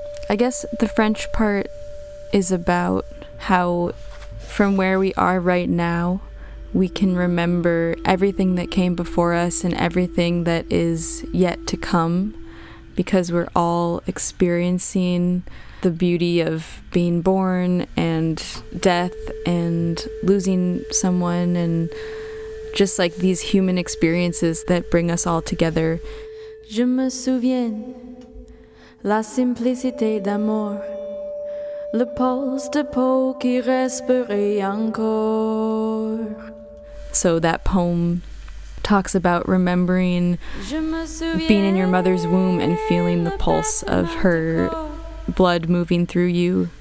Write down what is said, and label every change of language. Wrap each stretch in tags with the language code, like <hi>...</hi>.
<en>I guess the French part is about how, from where we are right now, we can remember everything that came before us and everything that is yet to come, because we're all experiencing the beauty of being born and death and losing someone and just like these human experiences that bring us all together.</en> <fr>Je me souviens, la simplicité d'amour, le pulse de peau qui respirait encore.</fr> <en>So that poem talks about remembering being in your mother's womb and feeling the pulse of her blood moving through you.</en>